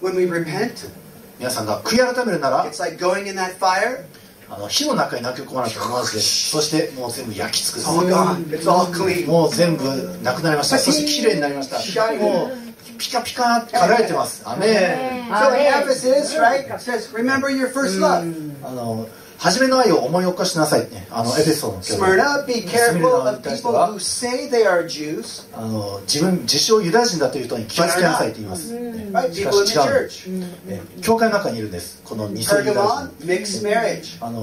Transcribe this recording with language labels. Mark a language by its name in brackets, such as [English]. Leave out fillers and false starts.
[English] When we repent, [Japanese] 皆さんが悔い改めるなら、 [English] It's like going in that fire. [Japanese] 火の中に投げ込まなきゃ思わずです。そしてもう全部焼き尽くす。 [English] Oh God, it's all clean. [Japanese] もう全部なくなりました。そしてきれいになりました。もうピカピカ輝いてます。アメン。 [English] So Ephesus, right? It says, remember your first love. [Japanese] はじめの愛を思い起こしなさい、ね、あのエペソの教会。 [English] Smyrna, be careful of people who say they are Jews. [Japanese] 自分自称ユダヤ人だという人に気をつけなさいと言います。しかし違う。教会の中にいるんです。この偽ユダヤ人。